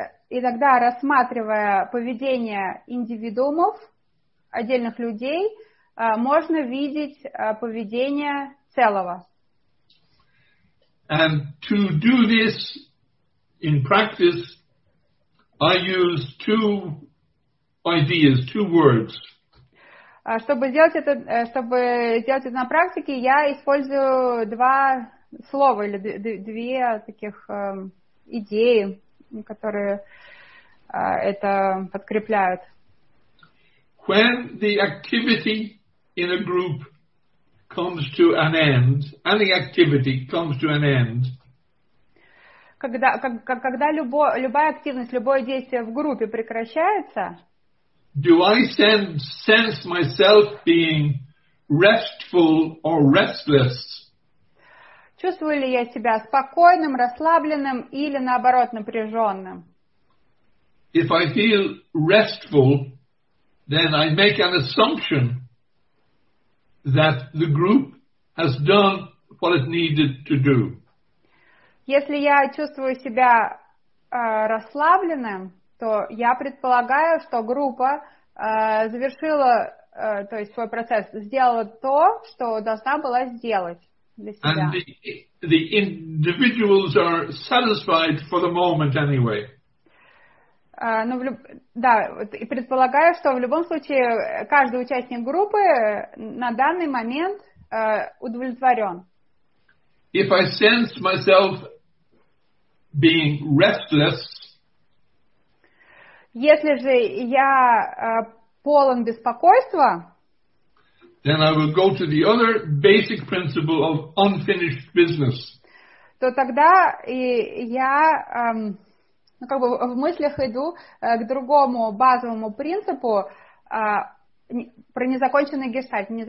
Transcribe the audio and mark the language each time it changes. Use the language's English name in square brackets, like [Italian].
[Russian] Иногда, рассматривая поведение индивидуумов, отдельных людей, можно видеть поведение целого. [English] And to do this in practice, I use two ideas, two words. [Russian] Чтобы сделать это на практике, я использую два слова или две таких идеи, которые это подкрепляют. [English] When the activity in a group comes to an end, any activity comes to an end. [Russian] Когда любая активность, любое действие в группе прекращается. [English] Do I sense myself being restful or restless? [Russian] Чувствую ли я себя спокойным, расслабленным или наоборот напряженным? [English] If I feel restful, then I make an assumption that the group has done what it needed to do. [Russian] Если я чувствую себя расслабленным, то я предполагаю, что группа завершила, то есть свой процесс, сделала то, что должна была сделать для себя. [English] And the individuals are satisfied for the moment anyway. [Russian] И предполагаю, что в любом случае каждый участник группы на данный момент удовлетворен. [English] If I sense myself being restless, [Russian] если же я полон беспокойства, [English] then I will go to the other basic principle of unfinished business. [Russian] То тогда и я в мыслях иду к другому базовому принципу про незаконченный гештальт.